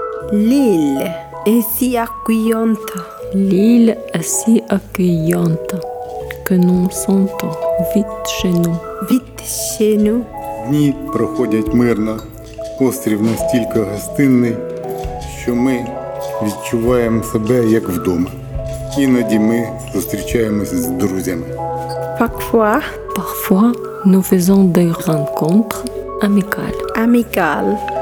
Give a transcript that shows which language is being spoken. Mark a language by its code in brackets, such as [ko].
[fr] L'île est si accueillante que nous sentons vite chez nous. [uk] Дні проходять мирно. Острів настільки гостинний, що ми відчуваємо себе як вдома. Іноді ми зустрічаємося з друзями. [fr] Parfois, nous faisons des rencontres amicales.